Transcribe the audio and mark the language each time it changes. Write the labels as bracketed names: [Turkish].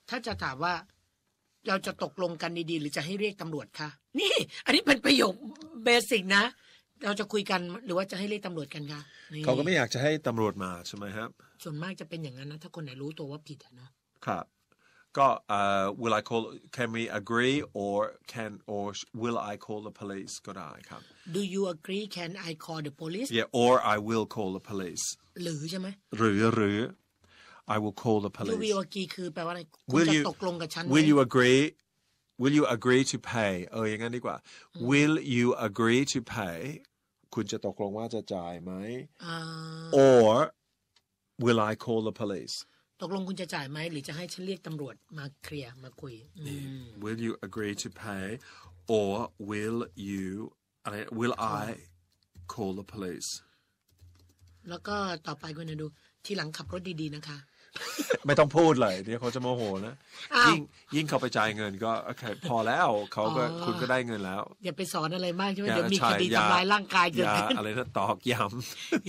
[Thai] ถ้าจะถามว่าเราจะตกลงกันดีๆหรือจะให้เรียกตำรวจคะนี่อันนี้เป็นประโยคเบสิกนะเราจะคุยกันหรือว่าจะให้เรียกตำรวจกันคะ เขาก็ไม่อยากจะให้ตำรวจมาใช่ไหมครับ ส่วนมากจะเป็นอย่างนั้นนะถ้าคนไหนรู้ตัวว่าผิดนะ ครับก็ [English] will I call can we agree or will I call the police [Thai] ก็ได้ครับ [English] Do you agree can I call the police Yeah or I will call the police [Thai] หรือใช่ไหม [English] หรือ I will call the police Do you agree [Thai] คือแปลว่าอะไรคุณจะตกลงกับฉันไหม [English] Will you agree to pay [Thai] เอออย่างนั้นดีกว่า [English] Will you agree to pay [Thai] คุณจะตกลงว่าจะจ่ายไหม [English] or will I call the police [Thai] ตกลงคุณจะจ่ายไหมหรือจะให้ฉันเรียกตำรวจมาเคลียร์มาคุย [English] will you agree to pay or will you will I call the police [Thai] แล้วก็ต่อไปคุณจะดูทีหลังขับรถดีๆนะคะ ไม่ต้องพูดเลยเดี๋ยวเขาจะโมโหนะยิ่งเขาไปจ่ายเงินก็โอเคพอแล้วเขาก็คุณก็ได้เงินแล้ว อย่าไปสอนอะไรมากใช่ไหมเดี๋ยวมีคดีทำร้ายร่างกายเกิดขึ้นอะไรนะตอกย้ำ